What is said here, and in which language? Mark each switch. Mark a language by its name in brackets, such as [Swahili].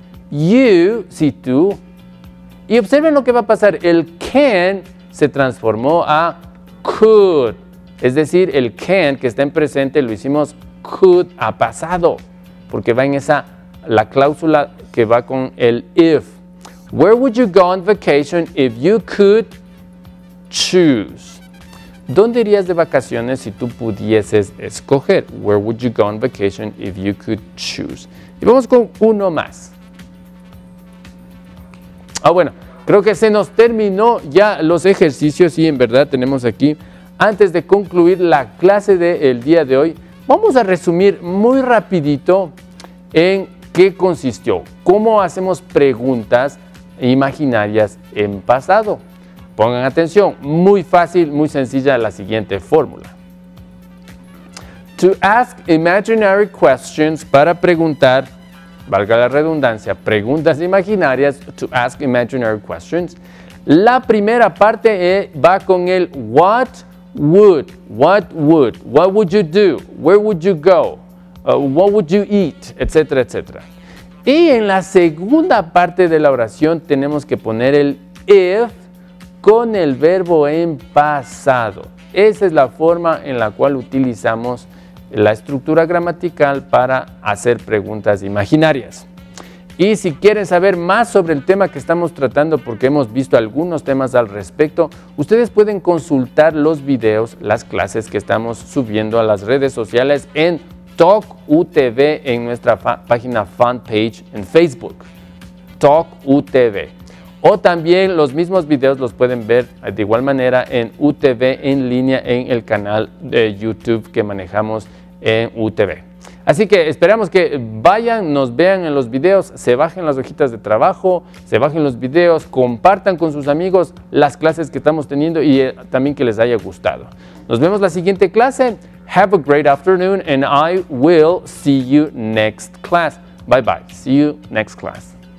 [Spanish] you, si tú. Y observen lo que va a pasar. El can se transformó a could. Es decir, el can que está en presente lo hicimos could a pasado. Porque va en esa, la cláusula que va con el if. [English] Where would you go on vacation if you could choose? [Spanish] ¿Dónde irías de vacaciones si tú pudieses escoger? [English] Where would you go on vacation if you could choose? [Spanish] Y vamos con uno más. Ah, bueno, creo que se nos terminó ya los ejercicios y en verdad tenemos aquí, antes de concluir la clase del día de hoy, vamos a resumir muy rapidito en qué consistió, cómo hacemos preguntas imaginarias en pasado. Pongan atención, muy fácil, muy sencilla la siguiente fórmula. [English] To ask imaginary questions, [Spanish] para preguntar, valga la redundancia, preguntas imaginarias, [English] to ask imaginary questions. [Spanish] La primera parte va con el [English] what would, what would, what would you do, where would you go, what would you eat, [Spanish] etcétera, etcétera. Y en la segunda parte de la oración tenemos que poner el if con el verbo en pasado. Esa es la forma en la cual utilizamos la estructura gramatical para hacer preguntas imaginarias. Y si quieren saber más sobre el tema que estamos tratando, porque hemos visto algunos temas al respecto, ustedes pueden consultar los videos, las clases que estamos subiendo a las redes sociales en TalkUTV en nuestra página fan page en Facebook. TalkUTV. O también los mismos videos los pueden ver de igual manera en UTV en línea en el canal de YouTube que manejamos en UTV. Así que esperamos que vayan, nos vean en los videos, se bajen las hojitas de trabajo, se bajen los videos, compartan con sus amigos las clases que estamos teniendo y también que les haya gustado. Nos vemos la siguiente clase. [English] Have a great afternoon and I will see you next class. Bye bye. See you next class.